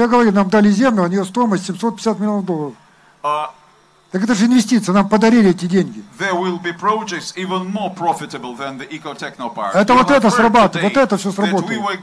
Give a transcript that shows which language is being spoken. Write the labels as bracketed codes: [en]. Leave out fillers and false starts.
[ru] Я говорю, нам дали землю, у нее стоимость 750 миллионов долларов. Так это же инвестиция, нам подарили эти деньги. [en] There will be projects even more profitable than the Ecotechnopark. [ru] Это вот это срабатывает, вот это все сработает.